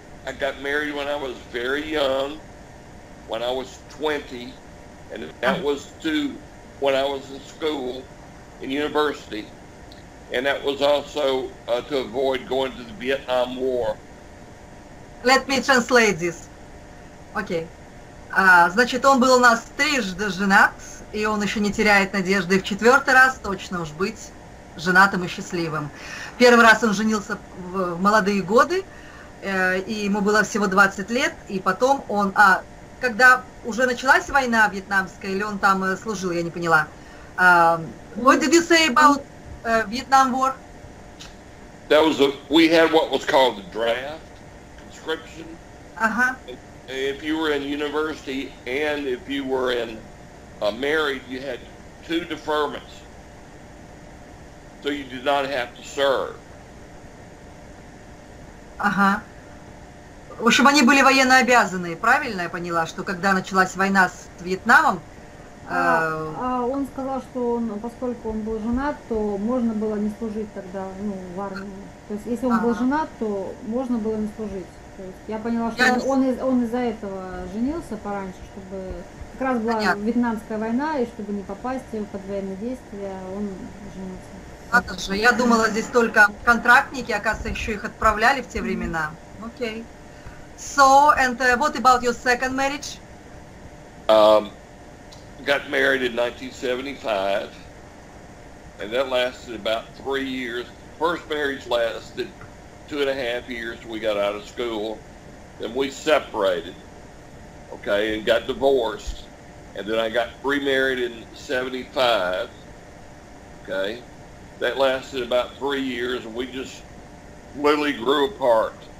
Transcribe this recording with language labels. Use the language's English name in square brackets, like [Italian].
[English] I got married when I was very young, when I was 20, and that was to when I was in school, in university, and that was also to avoid going to the Vietnam War. Let me translate this. Окей. [Russian] Значит, он был у нас трижды женат, и он еще не теряет надежды в четвертый раз точно уж быть женатым и счастливым. Первый раз он женился в молодые годы, и ему было всего 20 лет, и потом он... когда уже началась война вьетнамская, или он там служил, я не поняла. [English] What did you say about Vietnam War? We had what was called the draft, conscription. [Russian] Ага. [English] If you were in university and if you were in married, you had 2 deferments, so you did not have to serve. [Russian] Ага. В общем, они были военно обязаны, правильно я поняла, что когда началась война с Вьетнамом? Он сказал, что он, поскольку он был женат, то можно было не служить тогда, ну, в армии. То есть, если он был женат, то можно было не служить. Я поняла, что он из-за этого женился пораньше, чтобы как раз была вьетнамская война, и чтобы не попасть под военные действия, он женился. Ладно же, я думала, здесь только контрактники, оказывается, еще их отправляли в те времена. [English] Окей. So, and what about your second marriage? Got married in 1975, and that lasted about 3 years. First marriage lasted 2.5 years. We got out of school, then we separated, okay, and got divorced, and then I got remarried in 75, okay, that lasted about 3 years, and we just literally grew apart.